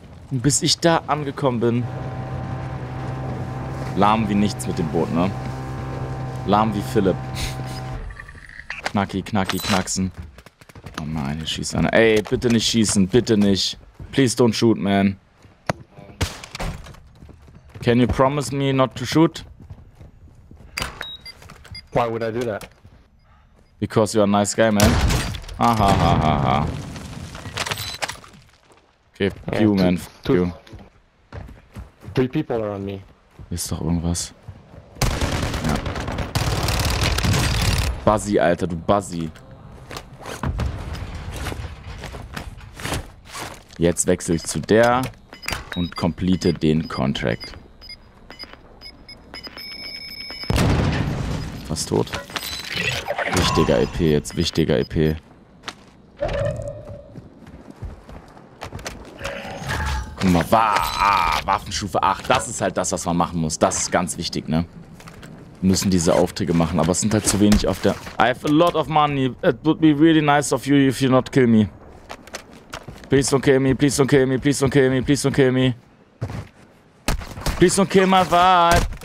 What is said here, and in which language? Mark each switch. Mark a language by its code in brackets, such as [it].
[de] Und bis ich da angekommen bin. Lahm wie nichts mit dem Boot, ne? Lahm wie Philipp. Knacki, knacki, knacksen. Oh nein, hier schießt einer. Ey, bitte nicht schießen, bitte nicht. [en] Please don't shoot, man. Can you promise me not to shoot? Why would I do that? Because you're a nice guy, man. Aha, ha, ha, ha. Okay, fuck you, man. Fuck you. Three people are on me. [de] Ist doch irgendwas. Buzzy, Alter, du Buzzy. Jetzt wechsle ich zu der. und complete den Contract. Fast tot. Wichtiger EP jetzt, wichtiger EP. Guck mal, Waffenstufe 8, das ist halt das, was man machen muss. Das ist ganz wichtig, ne? Müssen diese Aufträge machen, aber es sind halt zu wenig auf der... [en] I have a lot of money. It would be really nice of you if you not kill me. Please don't kill me, please don't kill me, please don't kill me, please don't kill me. Please don't kill my vibe.